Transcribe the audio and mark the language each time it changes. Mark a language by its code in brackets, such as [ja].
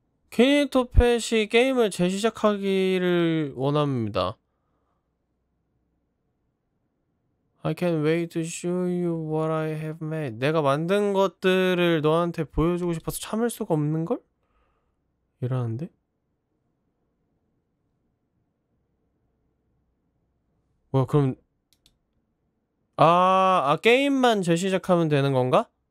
[ko] 키니토펫이 게임을 재시작하기를 원합니다. [en] I can't wait to show you what I have made. [ko] 내가 만든 것들을 너한테 보여주고 싶어서 참을 수가 없는걸? 이러는데? 뭐야, 그럼 아 게임만 재시작하면 되는 건가?